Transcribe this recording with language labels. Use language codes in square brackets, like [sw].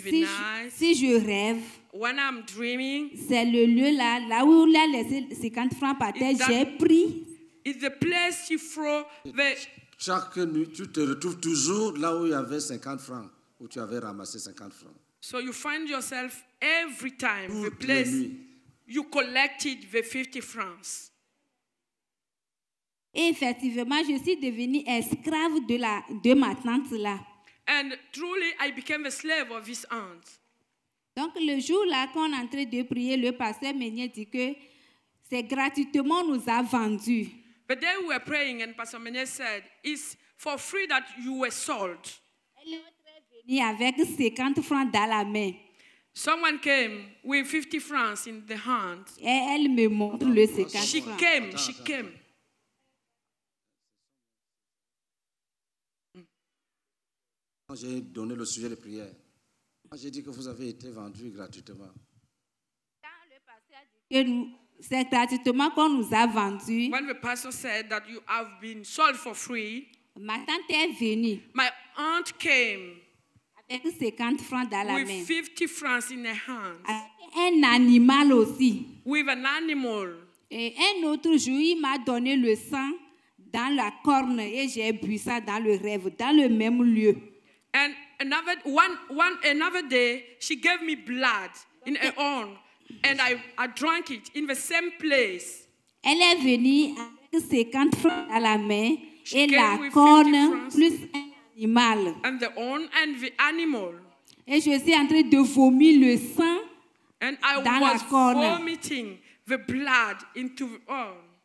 [fr] si [en] the night. [fr] Si je rêve. [en] When I'm dreaming. [fr] C'est le lieu là, là où on a laissé 50 francs par terre, j'ai pris. [en] It's the place you throw the. [fr] Chaque nuit, tu te retrouves toujours là où il y avait 50 francs, où tu avais ramassé 50 francs. [en] So you find yourself every time the place you collected the 50 francs. [fr] Effectivement, je suis devenue esclave de la de ma tante là. [en] And truly, I became a slave of his aunt. [fr] Donc le jour là qu'on est en train de prier, le pasteur Meunier dit que c'est gratuitement nous a vendu. [en] The day we were praying, and Pastor Meunier said, "It's for free that you were sold." [fr] Avec 50 francs dans la main. [en] Someone came with 50 francs in the hand. [fr] Et elle me montre le 50 francs. [en] She came, she came. [fr] Quand j'ai donné le sujet de prière, j'ai dit que vous avez été vendu gratuitement. Quand le pasteur a dit que nous, c'est gratuitement qu'on nous a vendu. [en] When the pastor said that you have been sold for free, [fr] ma tante est venue. [en] My aunt came. [fr] 50 francs dans la [en] with [fr] main. [en] 50 francs in their hands. [fr] Un animal aussi. [en] With an animal. [fr] Et un autre jour, il m'a donné le sang dans la corne et j'ai bu ça dans le rêve, dans le même lieu. [en] And another day, she gave me blood in her own and I drank it in the same place. [fr] Elle est venue avec 50 francs dans la main et la corne plus un animal. [en] And the own and the animal. [fr] Et je suis en train de vomir le sang [en] and I [fr] dans [en] was [fr] la corne. [en] Vomiting the blood into the own.